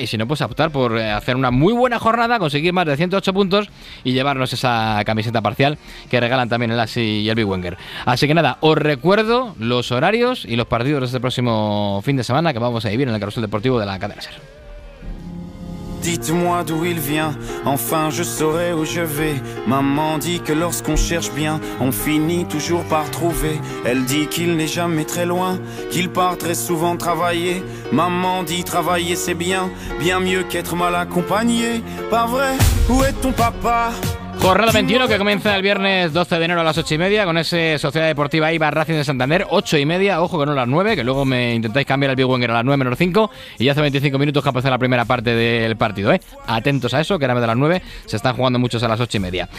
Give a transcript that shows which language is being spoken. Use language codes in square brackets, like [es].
[es] Y si no, pues a optar por hacer una muy buena jornada, conseguir más de 108 puntos y llevarnos esa camiseta parcial que regalan también el Asi y el Big Wenger. Así que nada, os recuerdo los horarios y los partidos de este próximo fin de semana que vamos a vivir en el carrusel deportivo de la cadena SER. [fr] Dites-moi d'où il vient, enfin je saurai où je vais. Maman dit que lorsqu'on cherche bien, on finit toujours par trouver. Elle dit qu'il n'est jamais très loin, qu'il part très souvent travailler. Maman dit travailler c'est bien, bien mieux qu'être mal accompagné. Pas vrai, où est ton papa? [es] Jornada 21 que comienza el viernes 12 de enero a las 8 y media con ese Sociedad Deportiva Eibar Racing de Santander, 8 y media, ojo que no las 9, que luego me intentáis cambiar el Big Wenger a las 9 menos 5 y ya hace 25 minutos que ha empezado la primera parte del partido, ¿eh? Atentos a eso, que era de las 9, se están jugando muchos a las 8 y media.